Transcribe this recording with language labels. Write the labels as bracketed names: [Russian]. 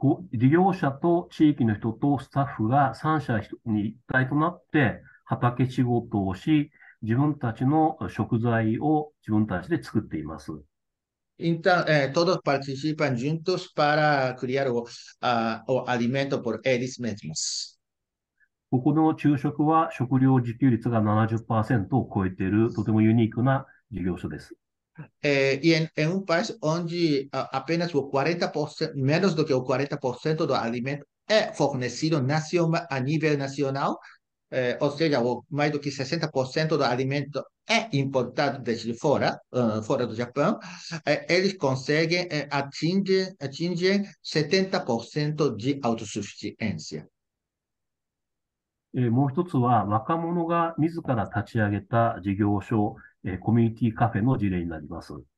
[Japanese] 利用者と地域の人とスタッフが3者に一体となって畑仕事をし、自分たちの食材を自分たちで作っています。 [Portuguese] Então, todos participam juntos para criar o alimento por eles mesmos. [Japanese] ここの昼食は食料自給率が70%を超えている、とてもユニークな事業所です。 [Portuguese] Em um país onde apenas o 40%, menos do que o 40% do alimento é fornecido a nível nacional, ou seja, mais do que 60% do alimento é importado desde fora do Japão, eles conseguem atingir 70% de autossuficiência. [Japanese] もう一つは、若者が自ら立ち上げた事業所、コミュニティカフェの事例になります。